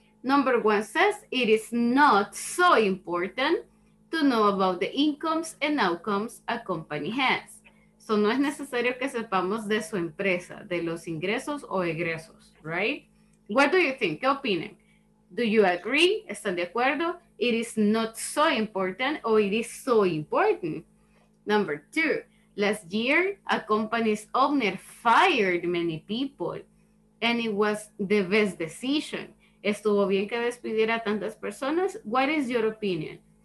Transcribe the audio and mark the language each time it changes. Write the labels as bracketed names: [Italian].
[English] Number one says, it is not so important to know about the incomes and outcomes a company has. [Spanish] So no es necesario que sepamos de su empresa, de los ingresos o egresos, [English] right? What do you think? [Spanish] ¿Qué opinan? [English] Do you agree? [Spanish] ¿Están de acuerdo? [English] It is not so important or it is so important? Number two, last year, a company's owner fired many people and it was the best decision. [Spanish] ¿Estuvo bien que despidiera a tantas personas? [English] What is your opinion?